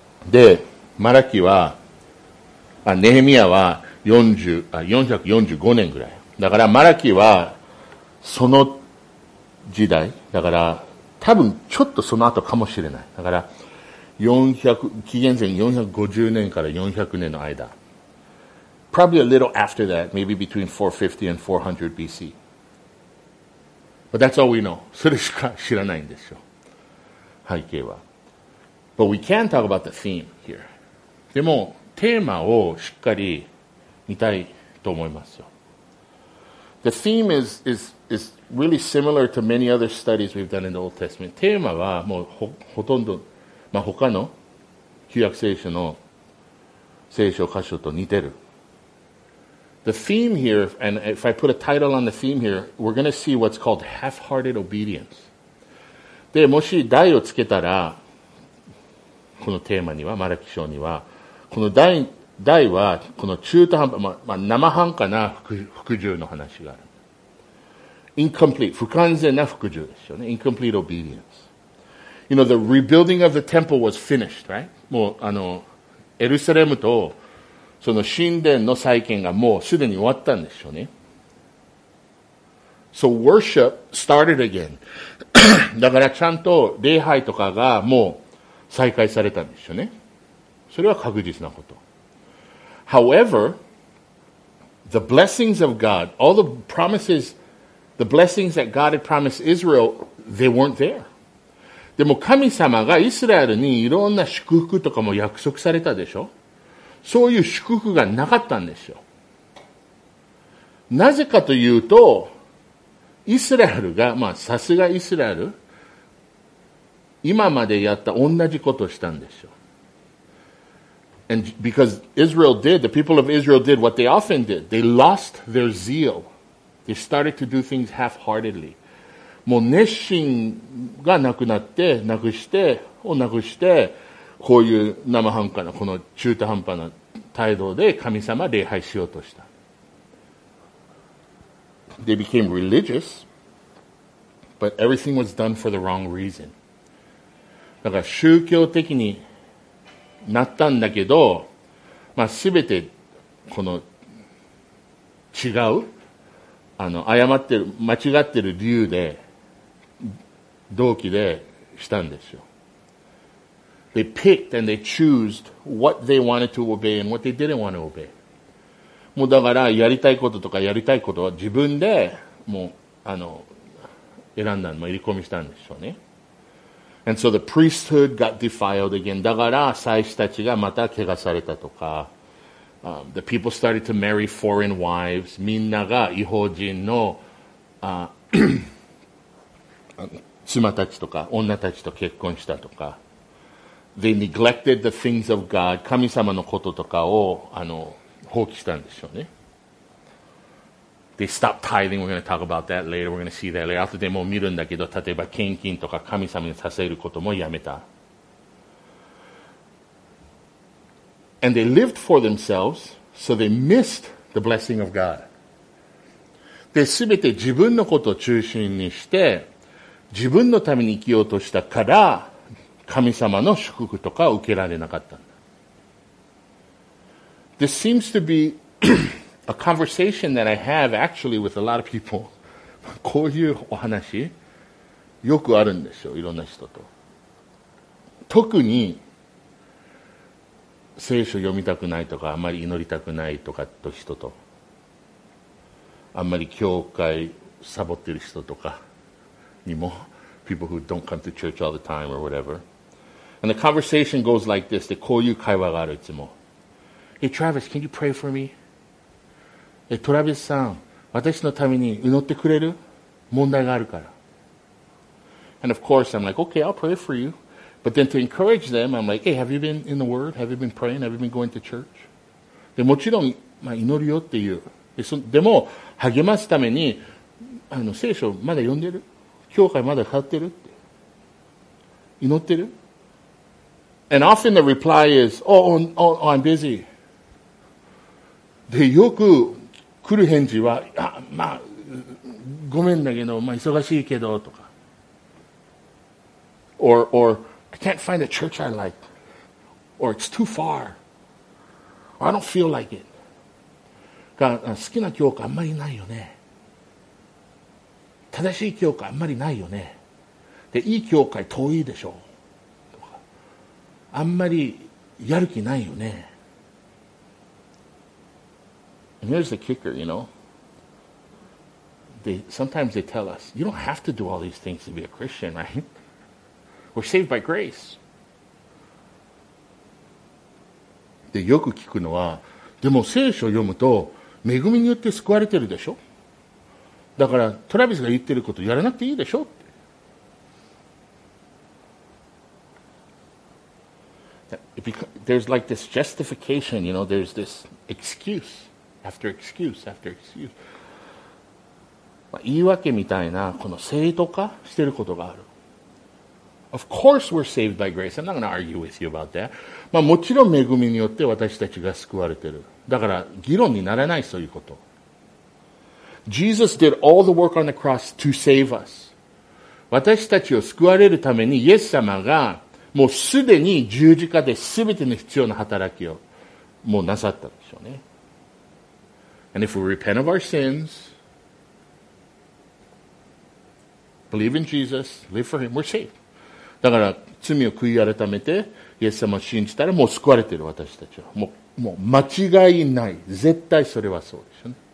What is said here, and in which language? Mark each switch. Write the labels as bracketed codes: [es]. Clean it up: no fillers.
[ja] で、マラキは、あ、ネヘミヤは445年ぐらい。だからマラキは、その時代。だから、多分ちょっとその後かもしれない。だから、紀元前450年から400年の間。 [en] Probably a little after that, maybe between 450 and 400 BC. But that's all we know. [ja] それしか知らないんですよ。背景は。 [en] But we can talk about the theme here. [ja] でも、テーマをしっかり見たいと思いますよ。 [en] The theme is really similar to many other studies we've done in the Old Testament. [ja] テーマはもう ほとんどまあ、他の旧約聖書の聖書箇所と似てる。 [en] The theme here, and if I put a title on the theme here, we're going to see what's called half-hearted obedience. [ja] で、もし題をつけたら、このテーマには、マラキ書には、この題は、この中途半端、まあ、生半可な服従の話がある。 [en] Incomplete, [ja] 不完全な服従ですよね。 [en] Incomplete obedience. You know, the rebuilding of the temple was finished, right? [ja] もう、あの、エルサレムと、その神殿の再建がもうすでに終わったんでしょうね。 [en] So worship started again. [ja] だからちゃんと礼拝とかがもう再開されたんでしょうね。それは確実なこと。 [en] However, the blessings of God, all the promises, the blessings that God had promised Israel, they weren't there. [ja] でも神様がイスラエルにいろんな祝福とかも約束されたでしょ? そういう祝福がなかったんですよ。なぜかというと、イスラエルが、まあさすがイスラエル、今までやった同じことをしたんでしょう。 [en] And because Israel did, the people of Israel did what they often did. They lost their zeal. They started to do things half-heartedly. [ja] もう熱心がなくなって、なくして、をなくして、こういう生半可な、この中途半端な態度で神様礼拝しようとした。 [en] They became religious, but everything was done for the wrong reason. [ja] だから宗教的になったんだけど、まあ、全てこの違う、誤ってる、間違ってる理由で、動機でしたんですよ。 [en] They picked and they chose what they wanted to obey and what they didn't want to obey. [ja] もうだからやりたいこととかやりたいことは自分でもう選んだの、入り込みしたんでしょうね。 [en] And so the priesthood got defiled again. [ja] だから祭司たちがまた汚されたとか、 [en] the people started to marry foreign wives. [ja] みんなが異邦人の妻たちとか女たちと結婚したとか、 [en] they neglected the things of God. [ja] 神様のこととかを放棄したんでしょうね。 [en] They stopped tithing. We're going to talk about that later. We're going to see that later. [ja] 後でも見るんだけど、例えば献金とか神様に捧げることもやめた。 [en] And they lived for themselves, so they missed the blessing of God. [ja] で、全て自分のことを中心にして、自分のために生きようとしたから、神様の祝福とか受けられなかった。 [en] This seems to be a conversation that I have actually with a lot of people. [ja] こういうお話よくあるんですよ、いろんな人と。特に聖書読みたくないとか、あまり祈りたくないとかと人と、あんまり教会サボってる人とかにも、 [en] people who don't come to church all the time or whatever. And the conversation goes like this. [ja] でこういう会話があるいつも。 [en] Hey, Travis, can you pray for me? [ja] Hey, Travis さん、私のために祈ってくれる？問題があるから。 [en] And of course, I'm like, okay, I'll pray for you. But then to encourage them, I'm like, hey, have you been in the Word? Have you been praying? Have you been going to church? [ja] で、もちろん、まあ、祈るよっていう。でも、励ますために、聖書まだ読んでる？教会まだ通ってる？って祈ってる？ [en] And often the reply is, oh, I'm busy. [ja] でよく来る返事は、あ、まあ、ごめんだけど、まあ、忙しいけどとか。 [en] Or, I can't find a church I like. Or, it's too far. Or, I don't feel like it. [ja] 好きな教会あんまりないよね。正しい教会あんまりないよね。で、いい教会遠いでしょう。とか。あんまりやる気ないよね。 [en] And here's the kicker, you know. Sometimes they tell us, you don't have to do all these things to be a Christian, right? We're saved by grace. [ja] で、よく聞くのは、でも聖書を読むと、恵みによって救われてるでしょ？だから、トラビスが言ってることやらなくていいでしょ？って。 [en] There's like this justification, you know, there's this excuse. After excuse, after excuse. [ja] まあ、言い訳みたいな、この正当化してることがある。 [en] Of course we're saved by grace. I'm not going to argue with you about that. [ja] まあ、もちろん恵みによって私たちが救われてる。だから議論にならない、そういうこと。 [en] Jesus did all the work on the cross to save us. [ja] 私たちを救われるために、イエス様がもうすでに十字架で全ての必要な働きをもうなさったでしょうね。 [en] And if we repent of our sins, believe in Jesus, live for Him, we're saved. [ja] だから罪を悔い改めてイエス様を信じたらもう救われてる私たちは。もう間違いない。絶対それはそうですよね。